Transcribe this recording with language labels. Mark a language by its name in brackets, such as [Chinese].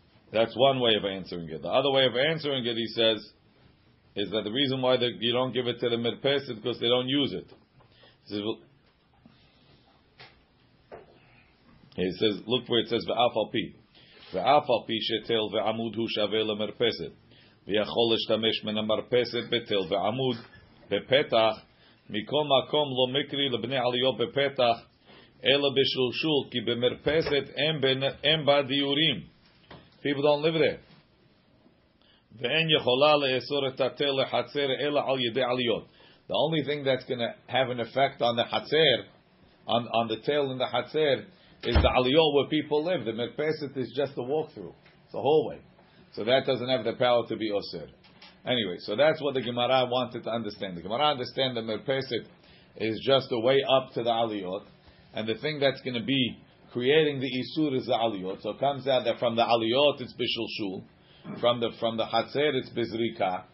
[English] That's one way of answering it. The other way of answering it, he says, is that the reason why you don't give it to the mirpeset is because they don't use it. He says, look where it says, v'afal pi. [Hebrew] ואף על פי שתל ועמוד הוא שווה למרפסת ויכול להשתמש מן המרפסת בתל ועמוד בפתח מכל מקום לא מקרי לבני עליות בפתח אלא בשלושול כי במרפסת אין בה דיורים [English] people don't live there [Hebrew] ואין יכולה לאסור את התל לחצר אלא על ידי עליות [English] the only thing that's going to have an effect on the חצר on the tail in the חצר is the aliyot where people live. The merpeset is just a walkthrough. It's a hallway. So that doesn't have the power to be osir. Anyway, so that's what the Gemara wanted to understand. The Gemara understands the merpeset is just a way up to the aliyot. And the thing that's going to be creating the isur is the aliyot. So it comes out that from the aliyot it's bishulshul. From the chatzer it's bizrika.